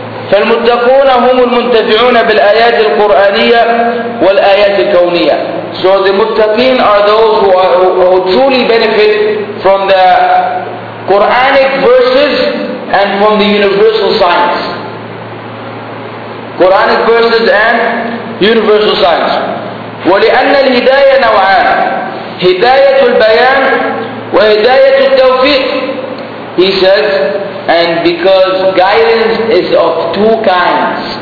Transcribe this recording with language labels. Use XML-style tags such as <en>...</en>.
<ar>فالمتقون هم المنتفعون بالآيات القرآنية والآيات الكونية.</ar> <en>So the muttaqin are those who truly benefit from the Quranic verses and from the universal signs. Quranic verses and universal signs.</en> <ar>ولأن الهداية نوعان: هداية البيان وهداية التوفيق.</ar> <en>He says, and because guidance is of two kinds.</en>